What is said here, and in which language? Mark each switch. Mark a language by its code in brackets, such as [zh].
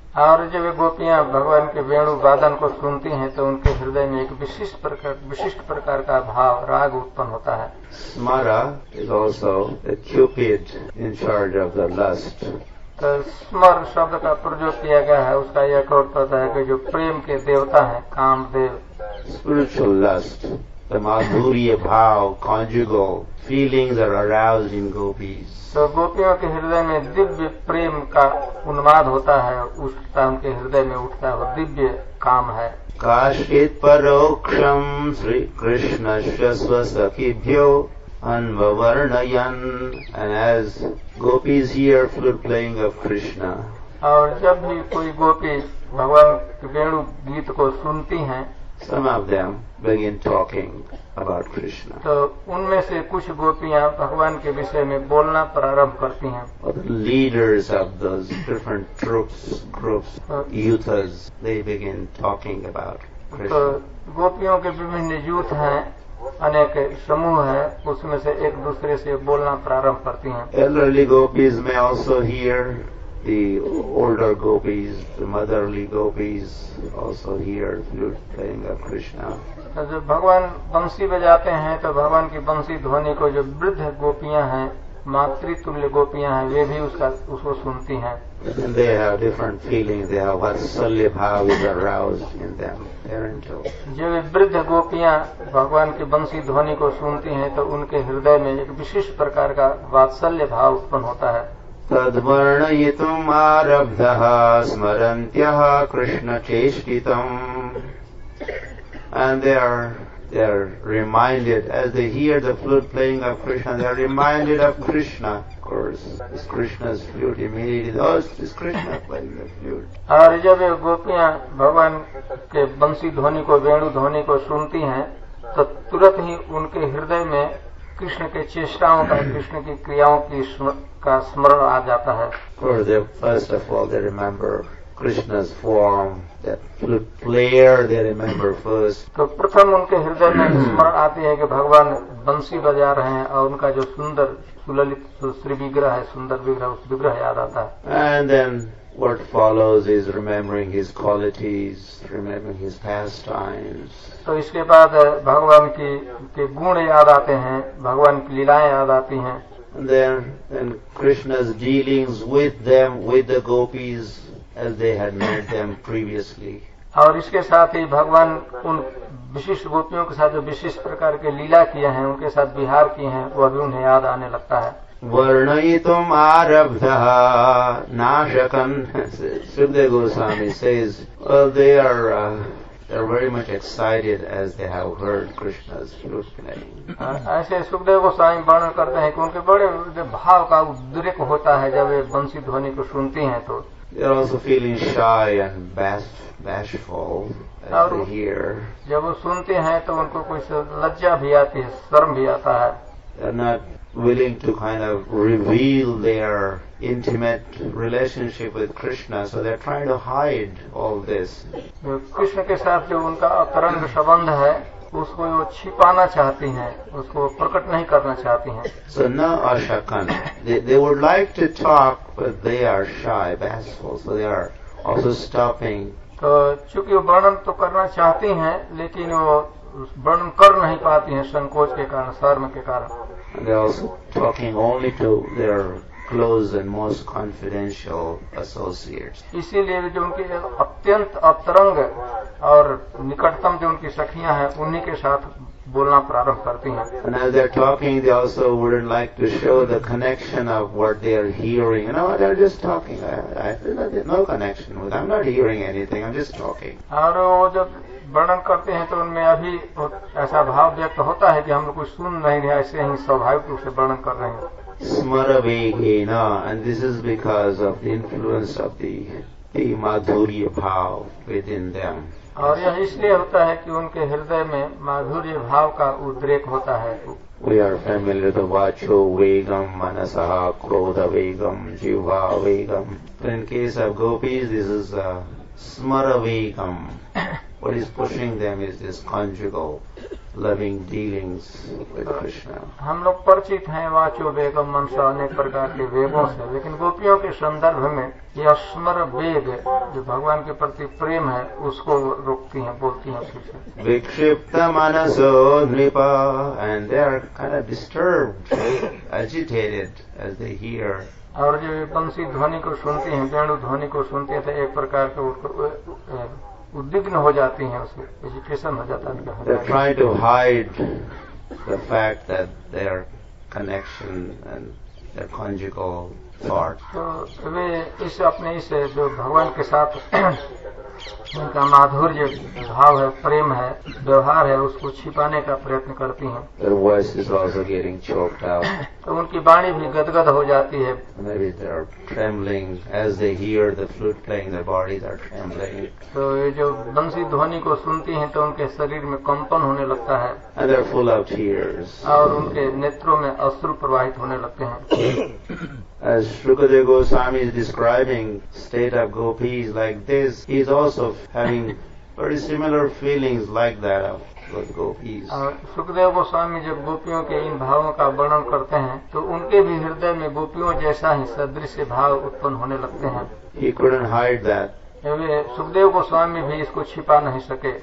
[hi] और जब गोपियां भगवान के वेणु वादन को सुनती हैं तो उनके हृदय में एक विशिष्ट प्रकार का भाव राग उत्पन्न होता है। [en] Smara is also a cupid in charge of the lust. [hi] तो स्मर शब्द का प्रयोग किया गया है उसका यह अर्थ है कि जो प्रेम के देवता हैं Kamadeva. [en] Spiritual lust, the madhurya bhav, conjugal feelings are aroused in gopis. [hi] तो गोपियों के हृदय में दिव्य प्रेम का उन्माद होता है उसका उनके हृदय में उठता है वो दिव्य काम है। [sa] काशित परोक्षम श्री कृष्ण श्व सखीभ्यो अनवर्णयन [en] And as gopis hear flute playing of Krishna. [hi] और जब भी कोई गोपी भगवान के वेणु गीत को सुनती हैं [en] Some of them begin talking about Krishna. [hi] तो उनमें से कुछ गोपियां भगवान के विषय में बोलना प्रारंभ करती हैं। [en] The leaders of those different troops, groups, youths, they begin talking about Krishna. [hi] तो गोपियों के विभिन्न यूथ हैं, अनेक समूह हैं, उसमें से एक दूसरे से बोलना प्रारंभ करती हैं। [en] Elderly gopis may also hear. The older gopis, the motherly gopis, also hear flute playing of Krishna. [hi] तो जब भगवान बंसी बजाते हैं तो भगवान की बंसी ध्वनि को जो वृद्ध गोपियां हैं मातृतुल्य गोपियां हैं वे भी उसको सुनती हैं। [en] And they have different feelings. They have vatsalya bhav is aroused in them. They're into. [hi] जब वृद्ध गोपियां भगवान की बंसी ध्वनि को सुनती हैं तो उनके हृदय में एक विशिष्ट प्रकार का वात्सल्य भाव उत्पन्न होता है। [sa] तद्वर्णयितुम् आरब्धः स्मरन्त्यः Krishna चेष्टितम् [en] and they are reminded as they hear the flute playing of Krishna they are reminded of Krishna of course it's Krishna's flute immediately those it's Krishna playing the flute [hi] और जब गोपियां भगवान के बंसी ध्वनि को वेणु ध्वनि को सुनती हैं तो तुरंत ही उनके हृदय में कृष्ण के चेष्टाओं का कृष्ण की क्रियाओं की का स्मरण आ जाता है। [en] First of all, they remember Krishna's form, that flute player they remember first. [hi] तो प्रथम उनके हृदय में स्मरण आती है कि भगवान बंसी बजा रहे हैं और उनका जो सुंदर सुललित श्री विग्रह है सुंदर विग्रह उस विग्रह याद आता है। [en] And then what follows is remembering his qualities, remembering his pastimes. [hi] तो इसके बाद भगवान के गुण याद आते हैं भगवान की लीलाएं याद आती हैं। [en] And then Krishna's dealings with them, with the gopis, as they had met them previously. [hi] और इसके साथ ही भगवान उन विशिष्ट गोपियों के साथ जो विशिष्ट प्रकार के लीला किए हैं उनके साथ विहार किए हैं वह भी उन्हें याद आने लगता है। [sa] वर्णयितुम् आरब्धः नाशकन् [en] Sukhdev Goswami says, well, they are very much excited as they have heard Krishna's flute playing. [hi] ऐसे सुखदेव गोस्वामी वर्णन करते हैं कि उनके बड़े भाव का उद्रेक होता है जब वे बंसी ध्वनि को सुनती हैं तो [en] They are also feeling shy and bashful as they hear. [hi] जब वो सुनते हैं तो उनको कुछ लज्जा भी आती है शर्म भी आता है। [en] They are not willing to kind of reveal their intimate relationship with Krishna, so they are trying to hide all this. [hi] Krishna के साथ जो उनका अतरंग संबंध है उसको वो छिपाना चाहती हैं, उसको प्रकट नहीं करना चाहती हैं। [en] So na ashakan, they would like to talk, but they are shy, bashful, so they are also stopping. [hi] तो चूंकि वो वर्णन तो करना चाहती हैं, लेकिन वो वर्णन कर नहीं पाती हैं संकोच के कारण, शर्म के कारण। [en] They are also talking only to their close and most confidential associates. [hi] इसीलिए जो उनकी अत्यंत अतरंग और निकटतम जो उनकी सखियां हैं उन्हीं के साथ बोलना प्रारंभ करती हैं। [en] And as they're talking, they also wouldn't like to show the connection of what they are hearing. You know, they're just talking. No connection with. I'm not hearing anything. I'm just talking. [hi] और वो जब वर्णन करते हैं तो उनमें अभी ऐसा भाव व्यक्त होता है कि हम लोग कुछ सुन नहीं रहे ऐसे ही स्वाभाविक रूप से वर्णन कर रहे हैं। [en] Smaravegena, and this is because of the influence of the madhurya bhav within them. [hi] और यह इसलिए होता है कि उनके हृदय में माधुर्य भाव का उद्रेक होता है। [en] We are familiar with [sa] vacho vegam, manasaha krodha vegam, jivha vegam. [en] But in case of gopis, this is smaravegam. What is pushing them is this conjugal loving dealings with Krishna. [hi] हम लोग परिचित हैं [sa] वाचो वेगम मनसा [hi] अनेक प्रकार के वेगों से, लेकिन गोपियों के संदर्भ में यह स्मर वेग जो भगवान के प्रति प्रेम है उसको रोकती हैं, बोलती हैं उसी से. [sa] विक्षिप्त मनसो नृपा, [en] And they are kind of disturbed agitated as they hear. [hi] और जो पंसी ध्वनि को सुनते हैं, वेणु ध्वनि को सुनते हैं, तो एक प्रकार के उद्विग्न हो जाती हैं, उसे एजिटेशन हो जाता है. [en] They're trying to hide the fact that their connection and their conjugal thought. [hi] तो वे इस अपने इस जो भगवान के साथ उनका माधुर्य भाव है, प्रेम है, व्यवहार है, उसको छिपाने का प्रयत्न करती हैं. [en] Their voice is also getting choked out. [hi] तो उनकी वाणी भी गदगद हो जाती है. [en] Maybe they are trembling as they hear the flute playing, their bodies are trembling. [hi] तो ये जो बंसी ध्वनि को सुनती हैं तो उनके शरीर में कंपन होने लगता है. [en] And they are full of tears. [hi] और उनके नेत्रों में अश्रु प्रवाहित होने लगते हैं. [en] As Shukadev Goswami is describing state of gopis like this, he is also having very similar feelings like that of gopis. [hi] Shukadev Goswami जब गोपियों के इन भावों का वर्णन करते हैं तो उनके भी हृदय में गोपियों जैसा ही सदृश भाव उत्पन्न होने लगते हैं. [en] He couldn't hide that. [hi] Shukadev Goswami भी इसको छिपा नहीं सके.